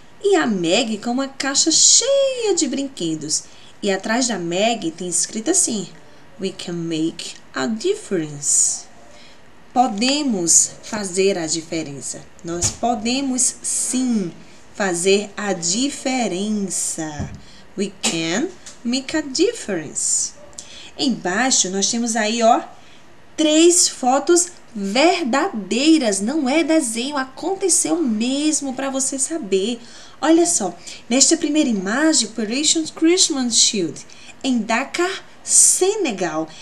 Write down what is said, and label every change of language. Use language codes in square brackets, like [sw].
[pt] E a Meg com uma caixa cheia de brinquedos. E atrás da Meg tem escrito assim: [en] We can make a difference. [pt] Podemos fazer a diferença. Nós podemos sim fazer a diferença. [en] We can make a difference. [pt] Embaixo nós temos aí, ó, três fotos verdadeiras, não é desenho, aconteceu mesmo para você saber. Olha só, nesta primeira imagem, Operation Christmas Shield, em Dakar, Senegal.